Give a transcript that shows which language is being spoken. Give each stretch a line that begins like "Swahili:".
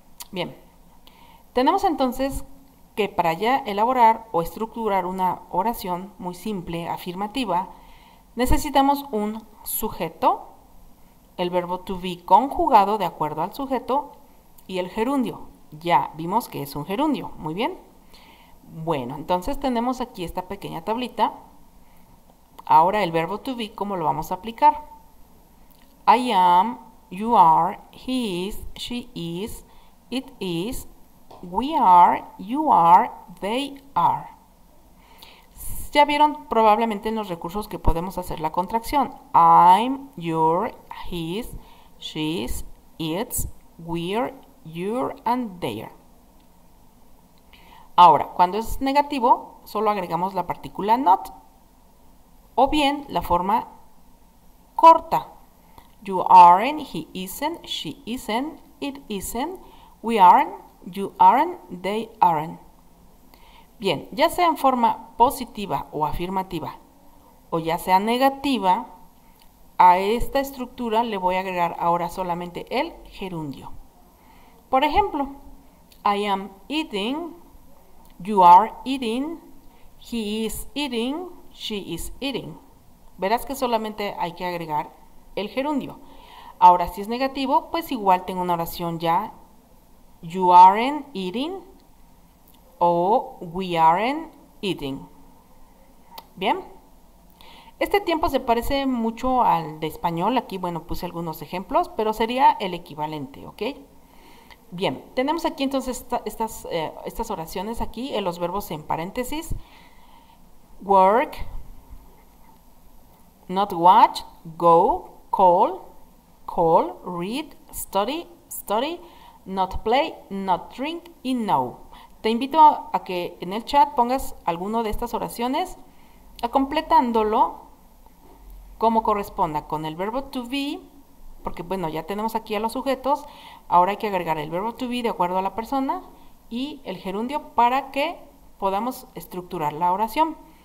Spanish: Bien, tenemos entonces que para ya elaborar o estructurar una oración muy simple, afirmativa, necesitamos un sujeto, el verbo to be conjugado de acuerdo al sujeto y el gerundio. Ya vimos que es un gerundio. Muy bien. Bueno, entonces tenemos aquí esta pequeña tablita. Ahora el verbo to be, ¿cómo lo vamos a aplicar?
English: I am, you are, he is, she is, it is, we are, you are, they are.
Spanish: Ya vieron probablemente en los recursos que podemos hacer la contracción.
English: I'm, your, his, she's, it's, we're, your, and their.
Spanish: Ahora, cuando es negativo, solo agregamos la partícula not. O bien la forma corta.
English: You aren't, he isn't, she isn't, it isn't, we aren't, you aren't, they aren't.
Spanish: Bien, ya sea en forma positiva o afirmativa, o ya sea negativa, a esta estructura le voy a agregar ahora solamente el gerundio. Por ejemplo,
English: I am eating, You are eating, he is eating, she is eating.
Spanish: Verás que solamente hay que agregar el gerundio. Ahora, si es negativo, pues igual tengo una oración ya.
English: You aren't eating o we aren't eating. Bien.
Spanish: Este tiempo se parece mucho al de español. Aquí, bueno, puse algunos ejemplos, pero sería el equivalente, ¿ok? Bien, tenemos aquí entonces estas oraciones aquí, en los verbos en paréntesis.
English: Work, not watch, go, call, call, read, study, study, not play, not drink,
Spanish: y no. Te invito a que en el chat pongas alguno de estas oraciones, completándolo como corresponda, con el verbo to be, porque bueno, ya tenemos aquí a los sujetos, ahora hay que agregar el verbo to be de acuerdo a la persona y el gerundio para que podamos estructurar la oración.